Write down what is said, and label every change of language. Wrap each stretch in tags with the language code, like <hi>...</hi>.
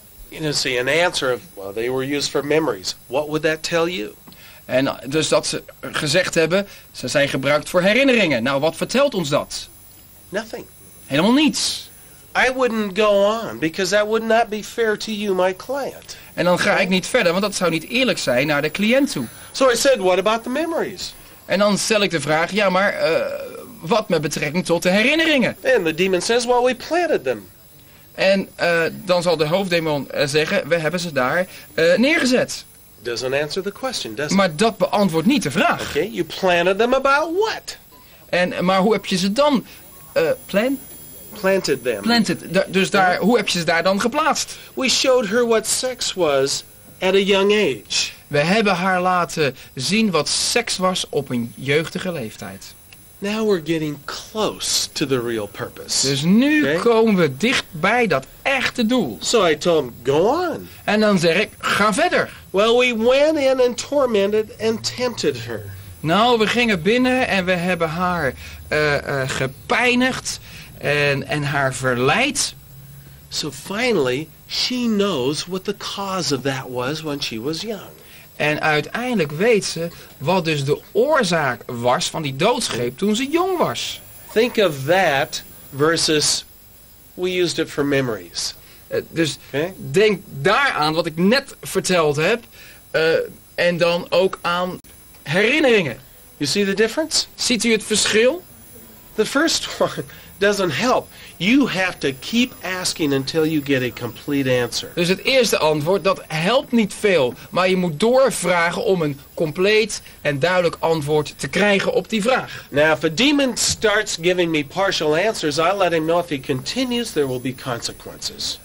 <en>You know, see, an answer of, well, they were used for memories. What would that tell you?</en> <nl>En dus dat ze gezegd hebben, ze zijn gebruikt voor herinneringen. Nou, wat vertelt ons dat?</nl> <en>Nothing.</en> <nl>Helemaal niets.</nl> <en>I wouldn't go on, because that would not be fair to you, my client.</en> <nl>En dan ga ik niet verder, want dat zou niet eerlijk zijn naar de cliënt toe.</nl> <en>So I said, what about the memories?</en> <nl>En dan stel ik de vraag, ja maar, wat met betrekking tot de herinneringen?</nl> <en>And the demon says, well, we planted them.</en> <nl>En dan zal de hoofddemon zeggen, we hebben ze daar neergezet.</nl> <en>Doesn't answer the question, does it?</en> <nl>Maar dat beantwoordt niet de vraag.</nl> <en>Okay, you planted them about what?</en> <nl>En maar hoe heb je ze dan</nl> <en>planted them? Planted.</en> <nl>Dus daar, hoe heb je ze daar dan geplaatst?</nl> <en>We showed her what sex was at a young age.</en> <nl>We hebben haar laten zien wat seks was op een jeugdige leeftijd.</nl> <en>Now we're getting close to the real purpose.</en> <nl>Dus nu komen we dicht bij dat echte doel.</nl> <en>So I told him, go on.</en> <nl>En dan zeg ik, ga verder.</nl> <en>Well, we went in and tormented and tempted her.</en> <nl>Nou, we gingen binnen en we hebben haar gepijnigd en haar verleid.</nl> <en>So finally, she knows what the cause of that was when she was young.</en> <nl>En uiteindelijk weet ze wat dus de oorzaak was van die doodsgreep toen ze jong was.</nl> <en>Think of that versus we used it for memories.</en> <nl>Denk daaraan wat ik net verteld heb en dan ook aan herinneringen.</nl> <en>You see the difference?</en> <nl>Ziet u het verschil?</nl> <en>The first one doesn't help. You have to keep asking until you get a complete answer.</en> <nl>Dus het eerste antwoord, dat helpt niet veel. Maar je moet doorvragen om een compleet en duidelijk antwoord te krijgen op die vraag.</nl> <en>Now, if a demon starts giving me partial answers, I let him know if he continues, there will be consequences.</en>